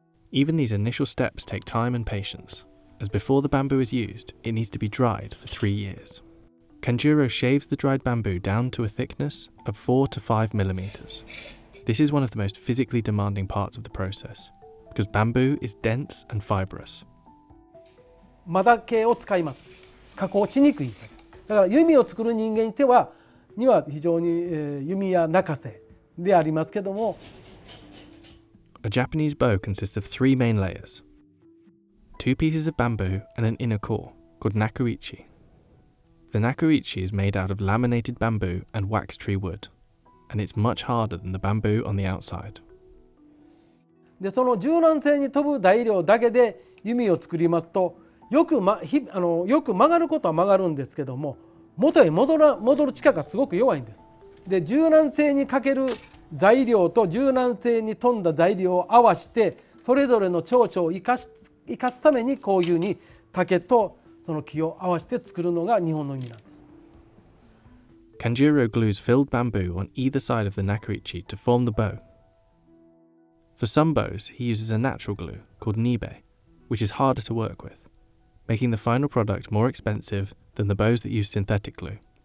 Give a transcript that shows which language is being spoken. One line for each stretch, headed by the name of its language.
English: Even these initial steps take time and patience. As before the bamboo is used, it needs to be dried for 3 years. Kanjuro shaves the dried bamboo down to a thickness of 4 to 5 millimeters. This is one of the most physically demanding parts of the process, because bamboo is dense and fibrous.
Japanese: マダケを使います。加工しにくい。だから弓を作る人間にては、には非常に弓矢泣かせでありますけども。
English: A Japanese bow consists of 3 main layers. 2 pieces of bamboo and an inner core, called nakuichi. The nakuichi is made out of laminated bamboo and wax tree wood, and it's much harder than the bamboo on the outside.
Japanese: で、その柔軟性に富む材料だけで弓を作りますと、よく曲がることは曲がるんですけども、元へ戻る力がすごく弱いんです。で、柔軟性に欠ける材料と柔軟性に富んだ材料を合わせて、それぞれの長所を生かすためにこういうふうに竹とその木を合わせて作るのが日本の意味なんです。
English: Kanjuro glues filled bamboo on either side of the nakuichi to form the bow. For some bows, he uses a natural glue called nibe, which is harder to work with, making the final product more expensive than the bows that use synthetic glue.